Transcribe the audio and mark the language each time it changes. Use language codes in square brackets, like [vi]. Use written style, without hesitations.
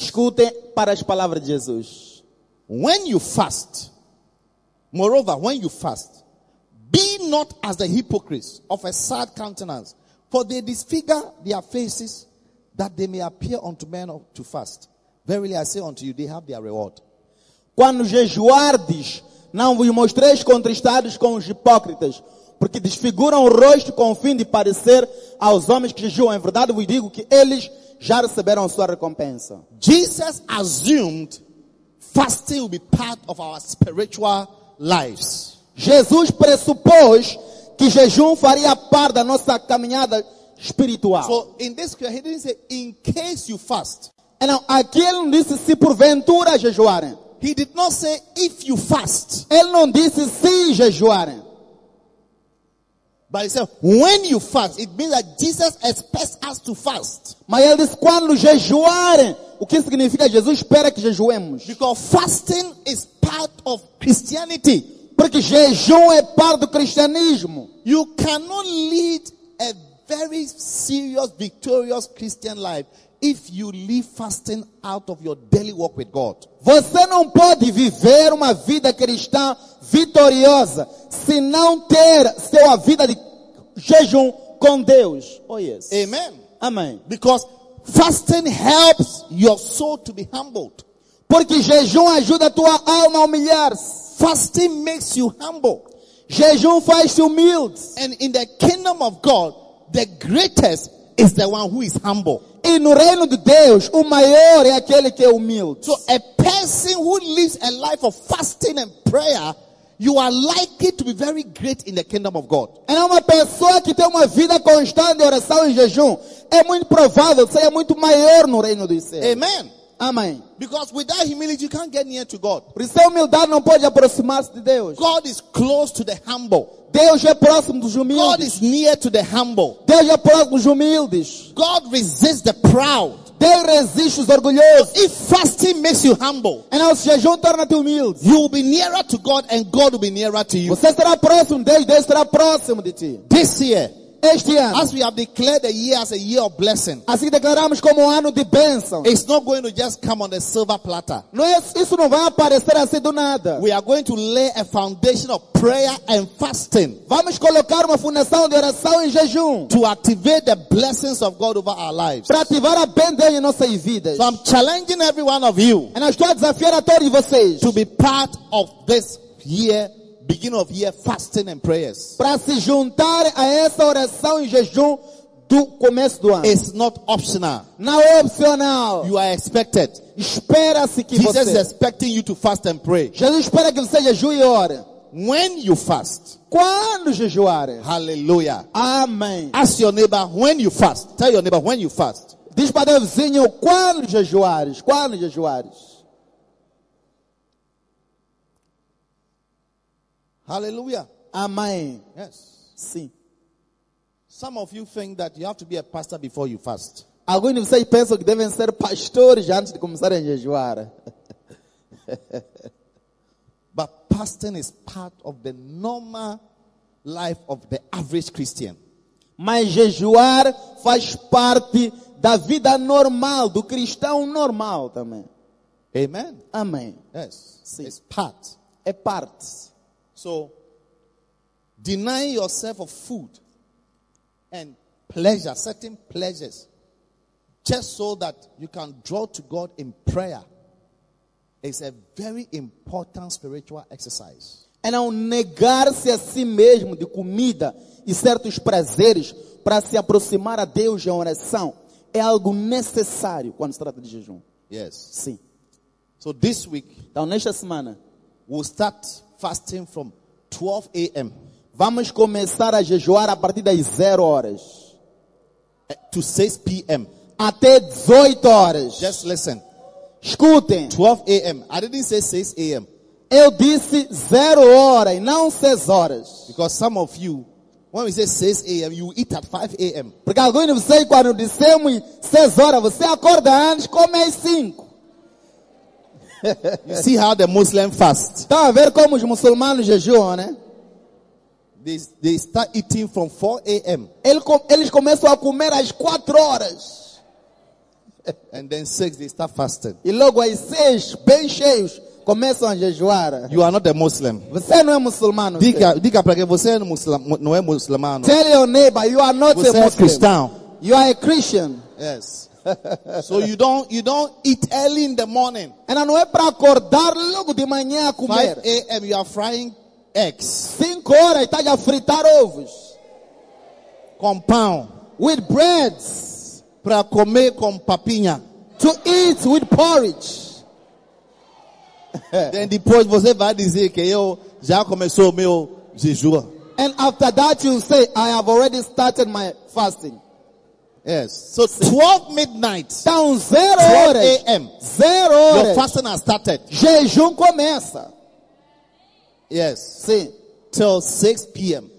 [pt] Escute para as palavras de Jesus. [en] When you fast, moreover, when you fast, be not as the hypocrites of a sad countenance, for they disfigure their faces that they may appear unto men to fast. Verily I say unto you, they have their reward. [pt] Quando jejuardes, não vos mostreis contristados com os hipócritas, porque desfiguram o rosto com o fim de parecer aos homens que jejuam. Em verdade, vos digo que eles já receberam sua recompensa. [en] Jesus assumed fasting will be part of our spiritual lives. [pt] Jesus pressupôs que jejum faria parte da nossa caminhada espiritual. [en] So in this case, he didn't say in case you fast. And now, [pt] aqui ele não disse se porventura jejuarem. [en] He did not say if you fast. [pt] Ele não disse se jejuarem. [en] But he said when you fast, it means that Jesus expects us to fast. [pt] Mas ele disse quando jejuarem, o que significa Jesus espera que jejuemos? [en] Because fasting is part of Christianity. [pt] Porque jejum é parte do cristianismo. [en] You cannot lead a very serious, victorious Christian life if you leave fasting out of your daily walk with God. [pt] Você não pode viver uma vida cristã vitoriosa se não ter sua vida de jejum com Deus. [en] Oh yes. Amen. [pt] Amém. [en] Because fasting helps your soul to be humbled. [pt] Porque jejum ajuda a tua alma a humilhar-se. [en] Fasting makes you humble. [pt] Jejum faz te humilde. [en] And in the kingdom of God, the greatest is the one who is humble. [pt] E no reino de Deus, o maior é aquele que é humilde. [en] So a person who lives a life of fasting and prayer, you are likely to be very great in the kingdom of God. [pt] É uma pessoa que tem uma vida constante de oração e jejum, é muito provável que seja muito maior no reino de Deus. [en] Amen. [pt] Amém. [en] Because without humility, you can't get near to God. [pt] Por isso, a humildade não pode aproximar-se de Deus. [en] God is close to the humble. [pt] Deus é próximo dos humildes. [en] God is near to the humble. [pt] Deus é próximo dos humildes. [en] God resists the proud. [pt] Deus resiste os orgulhosos. [en] So if fasting makes you humble, and [pt] se jejum torna-te humilde, [en] you will be nearer to God and God will be nearer to you. [pt] Você estará próximo de Deus, Deus estará próximo de ti. [en] This year, [pt] este ano, [en] as we have declared the year as a year of blessing, [pt] assim declaramos como ano de bênção, [en] it's not going to just come on a silver platter. [pt] Não é, isso não vai aparecer assim do nada. [en] We are going to lay a foundation of prayer and fasting. [pt] Vamos colocar uma fundação de oração e jejum [en] to activate the blessings of God over our lives. [pt] Para ativar a bênção em nossas vidas. [en] So I'm challenging every one of you. [pt] E eu estou a desafiar a todos vocês [en] to be part of this year. Beginning of year fasting and prayers. [pt] Para se juntar a essa oração e jejum do começo do ano. [en] It's not optional. [pt] Não é opcional. [en] You are expected. [pt] Espera-se que [en] Jesus [pt] você. [en] Jesus is expecting you to fast and pray. [pt] Jesus espera que você jejue e ore. [en] When you fast. [pt] Quando jejuar. [en] Hallelujah. [pt] Amém. [en] Ask your neighbor when you fast. Tell your neighbor when you fast. [pt] Diz para o vizinho quando jejuares. Quando jejuares. [en] Hallelujah. [pt] Amém. [en] Yes. [pt] Sim. [en] Some of you think that you have to be a pastor before you fast. [pt] Alguns de vocês pensam que devem ser pastores antes de começar a jejuar. [en] But fasting is part of the normal life of the average Christian. [pt] Mas jejuar faz parte da vida normal do cristão normal também. [en] Amen. [pt] Amém. [en] Yes. [pt] Sim. [en] It's part. [pt] É parte. [en] So, denying yourself of food and pleasure, certain pleasures, just so that you can draw to God in prayer, is a very important spiritual exercise. [pt] É não negar-se a si mesmo de comida e certos prazeres para se aproximar a Deus em oração. É algo necessário quando se trata de jejum. [en] Yes. [pt] Sim. [en] So, this week, [pt] então, nesta semana, [en] we'll start fasting from 12 a.m. [pt] Vamos começar a jejuar a partir das 0 horas. [en] To 6 p.m. [pt] Até 18 horas. [en] Just listen. [pt] Escutem. [en] 12 a.m. I didn't say 6 a.m. [pt] Eu disse 0 horas e não 6 horas. [en] Because some of you, when we say 6 a.m., you eat at 5 a.m. [pt] Porque alguns de vocês, quando dissemos 6 horas, você acorda antes, come às 5. [en] You see how the Muslim fast. [pt] Tá a ver como os muçulmanos jejuam, né? [en] They start eating from 4 a.m. [pt] Eles começam a comer às 4 horas. [en] And then 6 they start fasting. [pt] E logo às 6, bem cheios, começam a jejuar. [en] You are not a Muslim. [pt] Você não é muçulmano. Diga para que você não é muçulmano. [en] Tell your neighbor you are not [pt] você [en] a Muslim. [pt] É cristão. [en] You are a Christian. Yes. So you don't eat early in the morning. [pt] E não é para acordar logo de manhã a comer. [en] 5 a.m. you are frying eggs. [pt] 5 horas está a fritar ovos. [en] Compound. with breads, [pt] para comer com papinha, [en] to eat with porridge. Then [pt] depois você vai dizer que eu já começou o meu jejum. [en] And after that you say, I have already started my fasting. Yes. So 12 midnight. Down 0 hours. 12 a.m. 0 hours. Your fasting has started. [pt] Jejum começa. [en] Yes. [pt] Sim. [en] Till 6 p.m.